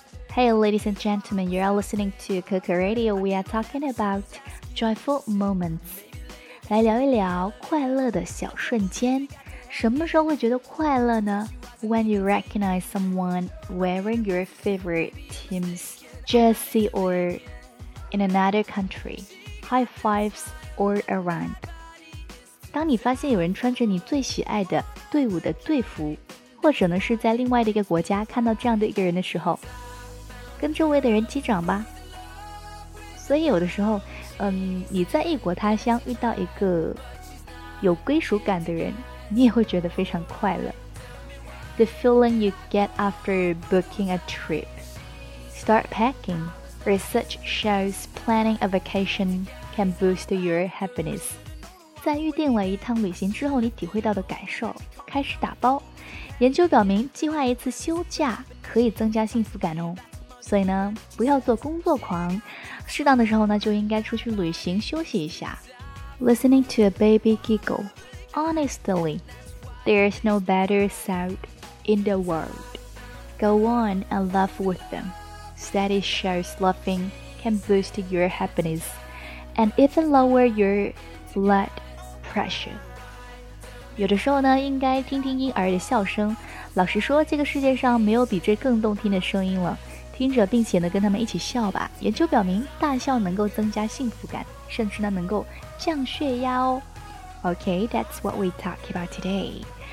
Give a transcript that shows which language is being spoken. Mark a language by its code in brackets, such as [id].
[en] Hey, ladies and gentlemen, you are listening to Coco Radio. We are talking about joyful moments. [zh] 来聊一聊快乐的小瞬间。什么时候会觉得快乐呢？ [en] When you recognize someone wearing your favorite team's jersey or in another country, high fives or a run. [zh] 当你发现有人穿着你最喜爱的队伍的队服，或者呢是在另外的一个国家看到这样的一个人的时候，跟周围的人击掌吧。所以有的时候，你在异国他乡遇到一个有归属感的人，你也会觉得非常快乐。 [en] The feeling you get after booking a trip, start packing, research shows planning a vacation can boost your happiness. [zh] 在预定了一趟旅行之后，你体会到的感受，开始打包。研究表明，计划一次休假可以增加幸福感哦。所以呢，不要做工作狂，适当的时候呢，就应该出去旅行休息一下。 [en] Listening to a baby giggle, honestly, there's no better sound in the world. Go on and laugh with them. Study shows laughing can boost your happiness and even lower your blood pressure. [zh] 有的时候呢，应该听听婴儿的笑声。老实说，这个世界上没有比这更动听的声音了。听着并且呢跟他们一起笑吧。研究表明，大笑能够增加幸福感，甚至呢能够降血压哦。 [en] OK, that's what we talk about today.